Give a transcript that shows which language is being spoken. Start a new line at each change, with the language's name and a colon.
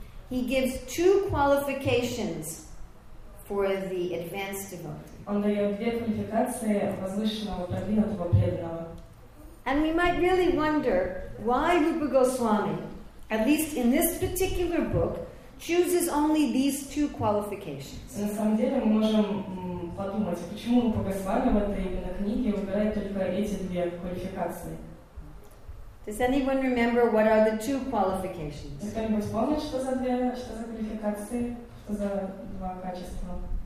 English: He gives two qualifications for the advanced devotee. And we might really wonder why Rupa Goswami, at least in this particular book, chooses only these two qualifications.
Russian: На самом деле, мы можем подумать, почему Рупа Госвами в этой именно книге выбирает только эти две квалификации.
English: Does anyone remember what are the two qualifications?
Russian: Кто-нибудь помнит, что за квалификации, что за два качества?